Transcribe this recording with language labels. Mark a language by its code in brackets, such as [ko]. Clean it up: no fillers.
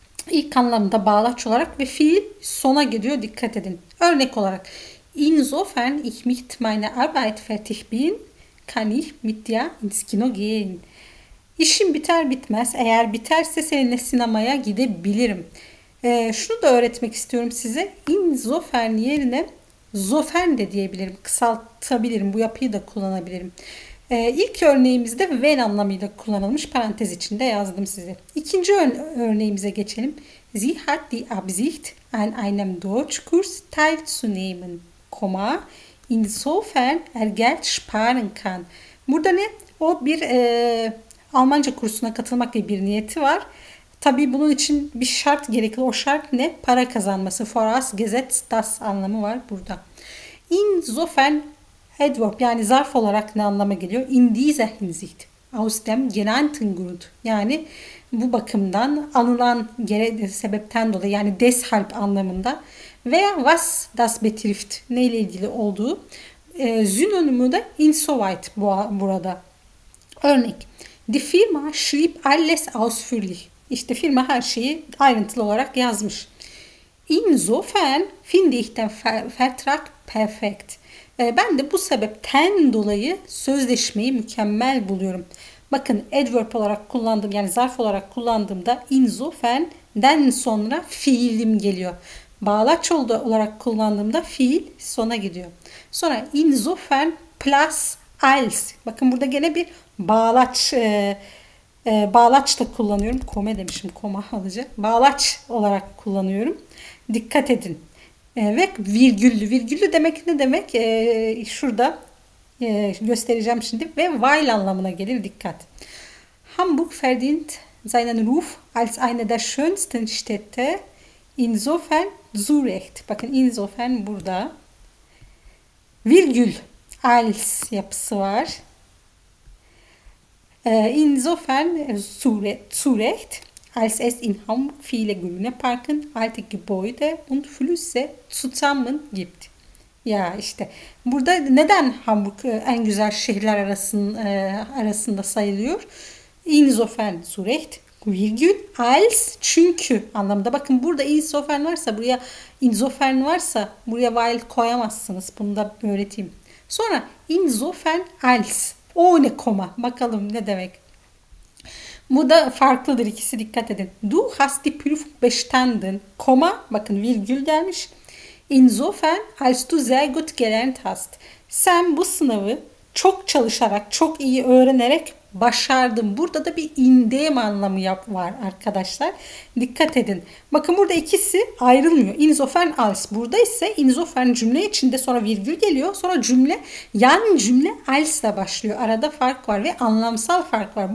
[tr] İlk anlamı da bağlaç olarak ve fiil sona gidiyor, dikkat edin. Örnek olarak, [de] insofern ich mit meiner Arbeit fertig bin, kann ich mit dir ins Kino gehen. [tr] İşim biter bitmez, eğer biterse seninle sinemaya gidebilirim. Şunu da öğretmek istiyorum size. İnzofern yerine zofern de diyebilirim. Kısaltabilirim. Bu yapıyı da kullanabilirim. İlk örneğimizde when anlamıyla kullanılmış, parantez içinde yazdım size. İkinci örneğimize geçelim. [de] Sie hat die Absicht, an einem Deutschkurs teilzunehmen, Komma, insofern er Geld sparen kann. [tr] Burada ne? O bir Almanca kursuna katılmak diye bir niyeti var. Tabii bunun için bir şart gerekli. O şart ne? Para kazanması. [de] Voraus gesetzt das [tr] anlamı var burada. Insofern adverb, yani zarf olarak ne anlama geliyor? [de] In dieser Hinsicht. Aus dem genannten Grund. [tr] Yani bu bakımdan, anılan sebepten dolayı, yani deshalb anlamında. Veya [de] was das betrifft. [tr] Neyle ilgili olduğu. Sünonimi de insoweit burada. Örnek. [de] Die Firma schrieb alles ausführlich. [tr] İşte firma her şeyi ayrıntılı olarak yazmış. [de] Insofern finde ich den Vertrag perfekt. [tr] Ben de bu sebepten dolayı sözleşmeyi mükemmel buluyorum. Bakın, adverb olarak kullandım, yani zarf olarak kullandığımda insofern'den sonra fiilim geliyor. Bağlaç olarak kullandığımda fiil sona gidiyor. Sonra insofern plus als. Bakın burada gene bir bağlaç da kullanıyorum. Koma demişim, koma alacak. Bağlaç olarak kullanıyorum. Dikkat edin. Ve virgüllü demek ne demek? Şurada göstereceğim şimdi. Ve while anlamına gelir, dikkat. [de] Hamburg verdient seinen Ruf als eine der schönsten Städte. Insofern Zürich. [tr] Bakın, insofern burada. Virgül als yapısı var. [de] Insofern zurecht, als es in Hamburg viele grüne Parken, alte Gebäude und Flüsse zusammen gibt. [tr] Ya işte burada neden Hamburg en güzel şehirler arasında sayılıyor? [de] Insofern zurecht, [tr] virgül, als çünkü anlamında. Bakın, burada insofern varsa buraya, insofern varsa buraya while koyamazsınız. Bunu da öğreteyim. Sonra insofern als. O ne koma? Bakalım ne demek? Bu da farklıdır, ikisi, dikkat edin. [de] Du hast die Prüfung bestanden. [tr] Koma, bakın virgül gelmiş. [de] Insofern als du sehr gut gelernt hast. [tr] Sen bu sınavı çok çalışarak, çok iyi öğrenerek başardın. Burada da bir indirim anlamı var arkadaşlar. Dikkat edin. Bakın, burada ikisi ayrılmıyor. [de] Insofern als. [tr] Burada ise insofern cümle içinde, sonra virgül geliyor. Sonra cümle, yan cümle als ile başlıyor. Arada fark var ve anlamsal fark var.